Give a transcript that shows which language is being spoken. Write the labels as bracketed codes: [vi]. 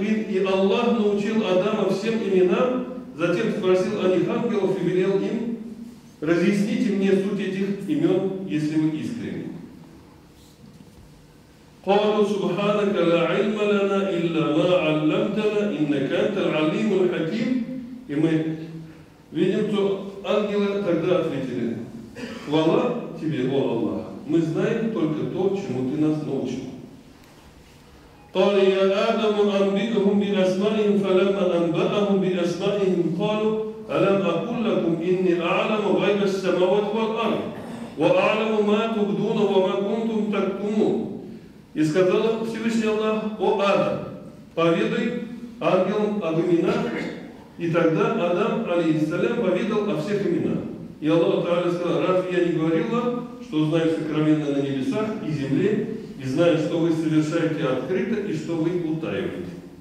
[ru] И Аллах научил Адама всем именам, затем спросил о них ангелов и велел им, разъясните мне суть этих имен, если вы искренни. [ar] قالوا سبحانك لا علم لنا إلا ما علمتنا إنك أنت العليم الحكيم. [ru] И мы видим, что ангелы тогда ответили: хвала тебе, о Аллах, мы знаем только то, чему ты нас научил. [ar] قال يا آدم أنبئهم بأسمائهم فلما أنبأهم بأسمائهم قالوا ألم أقول لكم إني أعلم غيب السماوات والأرض وأعلم ما تبدون وما كنتم تكتمون. [ru] И сказал Всевышний Аллах, о Адам, поведай ангелам об именах. И тогда Адам, алейхиссалям, поведал о всех именах. И Аллах Тааля сказал, разве я не говорил вам, что знаю сокровенное на небесах и земле, и знаю, что вы совершаете открыто и что вы утаиваете.